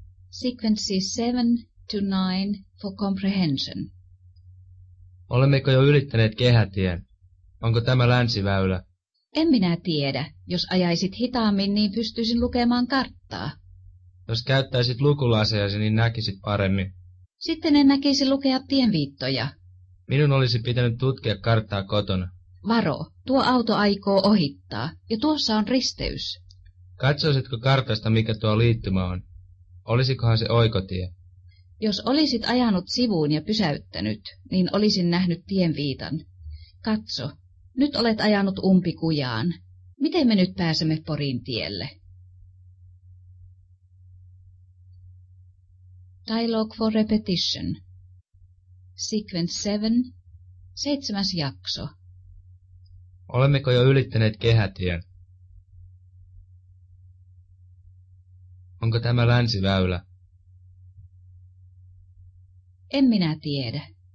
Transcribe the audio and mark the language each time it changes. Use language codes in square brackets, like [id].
[en] Sequences 7 to 9 for comprehension. [fi] Olemmeko jo ylittäneet kehätien? Onko tämä länsiväylä? En minä tiedä. Jos ajaisit hitaammin, niin pystyisin lukemaan karttaa. Jos käyttäisit lukulaseasi, niin näkisit paremmin. Sitten en näkisi lukea tienviittoja. Minun olisi pitänyt tutkia karttaa kotona. Varo, tuo auto aikoo ohittaa, ja tuossa on risteys. Katsoisitko kartasta, mikä tuo liittymä on? Olisikohan se oikotie? Jos olisit ajanut sivuun ja pysäyttänyt, niin olisin nähnyt tienviitan. Katso, nyt olet ajanut umpikujaan. Miten me nyt pääsemme Porin tielle? [en] Dialogue for repetition. Sequence 7. [fi] 7. jakso. Olemmeko jo ylittäneet kehätien? Onko tämä länsiväylä? En minä tiedä.